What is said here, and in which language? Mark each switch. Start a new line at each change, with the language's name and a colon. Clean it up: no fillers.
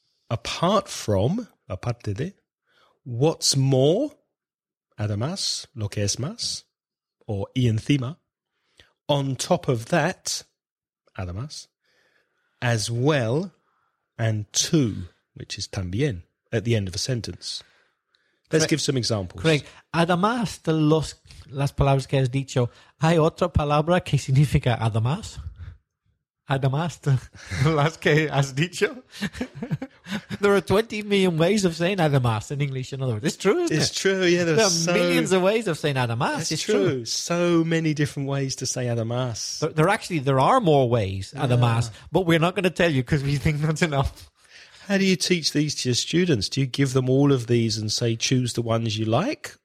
English: apart from,
Spanish: aparte de,
English: what's more, además,
Spanish: lo que es más,
English: or
Spanish: y encima,
English: on top of that, además, as well, and to, which is también, at the end of a sentence. Let's give some examples.
Spanish: Craig, además de las palabras que has dicho, ¿hay otra palabra que significa además? Además de las que has dicho.
English: There are 20 million ways of saying además in English, in other words. It's true, isn't it? It's true, yeah. There are millions of ways of saying además. It's true. So many different ways to say además. There are more ways, además, but we're not going to tell you because we think that's enough. How do you teach these to your students? Do you give them all of these and say choose the ones you like?